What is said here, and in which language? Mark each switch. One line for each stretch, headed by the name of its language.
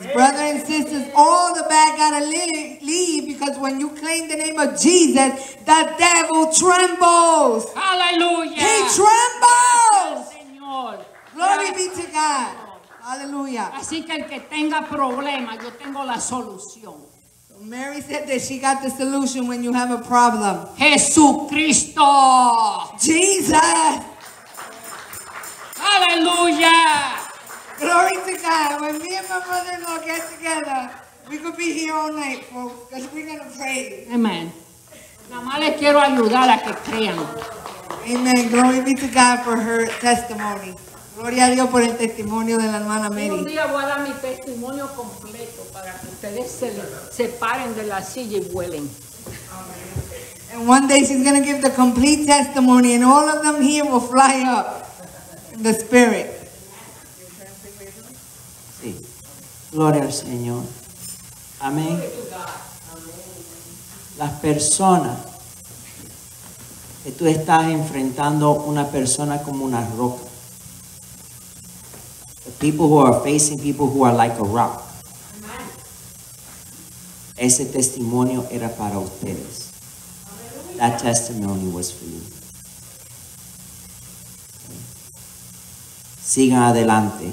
English: Brothers and sisters, all the bad gotta leave because when you claim the name of Jesus, the devil trembles. Hallelujah. He trembles.
Spanish: Señor.
English: Glory be to God. Aleluya.
Spanish: Así que el que tenga problema, yo tengo la solución.
English: So Mary said that she got the solution when you have a problem.
Spanish: Jesucristo.
English: Jesus.
Spanish: Aleluya.
English: Glory to God. When me and my mother-in-law get together, we could be here all night, folks, because we're going to pray. Amen.
Spanish: Nada más les quiero ayudar a que crean.
English: Amen. Glory be to God for her testimony.
Spanish: Gloria a Dios por el testimonio de la hermana Mary. Un día voy a dar mi testimonio completo para que ustedes se separen de la silla y vuelen.
English: Amen. And one day she's going to give the complete testimony and all of them here will fly up in the spirit.
Spanish: Sí. Gloria al Señor. Amén. Las personas que tú estás enfrentando, una persona como una roca.
English: People who are facing people who are like a rock.
Spanish: Amen. Ese testimonio era para ustedes.
English: Hallelujah. That testimony was for you. Okay.
Spanish: Sigan adelante.